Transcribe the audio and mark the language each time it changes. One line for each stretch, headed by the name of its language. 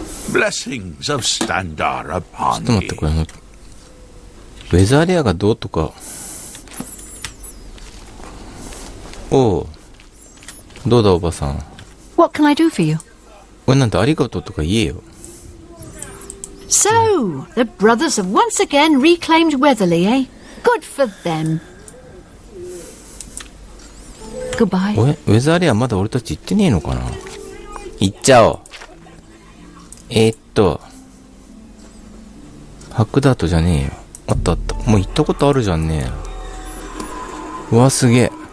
English: Blessings of Standar upon
Japanese: you. ちょっと待ってこれ。ウェザーレアがどうとか。おお。どうだおばさん。
English: What can I do for you?
Japanese: これなんてありがとうとか言えよ。
English: So, the brothers have once again reclaimed Weatherly, eh? Good for them. Goodbye.
Japanese: え、ウェザーレアまだ俺たち行ってねえのかな。行っちゃおう。ハクダートじゃねえよ。あったあった。もう行ったことあるじゃんねえ。うわ、すげえ。